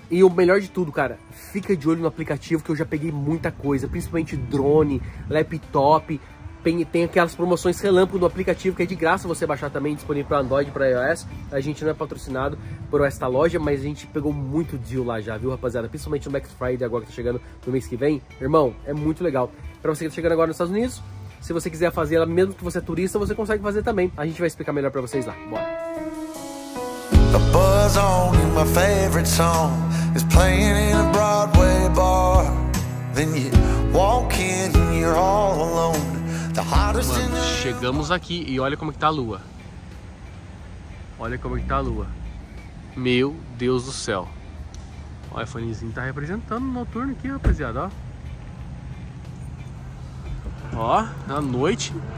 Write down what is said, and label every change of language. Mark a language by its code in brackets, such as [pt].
[pt] E o melhor de tudo, cara, fica de olho no aplicativo, que eu já peguei muita coisa, principalmente drone, laptop, tem aquelas promoções relâmpago no aplicativo, que é de graça você baixar também, disponível para Android, para iOS. A gente não é patrocinado por esta loja, mas a gente pegou muito deal lá já, viu, rapaziada? Principalmente no Black Friday agora, que tá chegando no mês que vem. Irmão, é muito legal. Para você que tá chegando agora nos Estados Unidos, se você quiser fazer ela, mesmo que você é turista, você consegue fazer também. A gente vai explicar melhor pra vocês lá. Bora. [en] The buzz on in my favorite song is playing in a Broadway bar. Then you walk in and you're all alone. The hottest in the... [pt] Chegamos aqui e olha como que tá a lua. Olha como que tá a lua. Meu Deus do céu. O iPhonezinho tá representando o noturno aqui, rapaziada, ó. Ó, na noite.